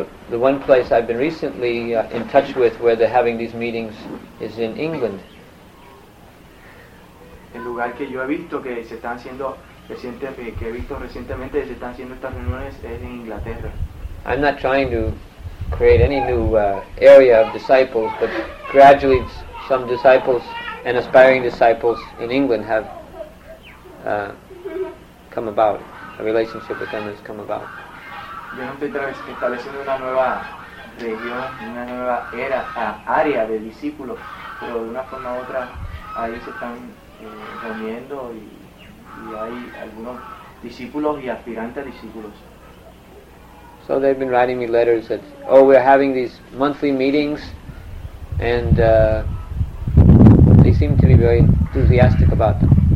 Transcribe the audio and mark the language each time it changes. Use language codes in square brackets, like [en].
[en] The one place I've been recently in touch with where they're having these meetings is in England. [es] El lugar que yo he visto que se están haciendo que he visto recientemente que se están haciendo estas reuniones es en Inglaterra. [en] I'm not trying to create any new area of disciples, but gradually some disciples and aspiring disciples in England have come about, a relationship with them has come about. [es] Yo no estoy estableciendo una nueva región, una nueva era, área de discípulos, pero de una forma u otra ahí se están reuniendo y hay algunos discípulos y aspirantes a discípulos. [en] So they've been writing me letters that, oh, we're having these monthly meetings and they seem to be very enthusiastic about them.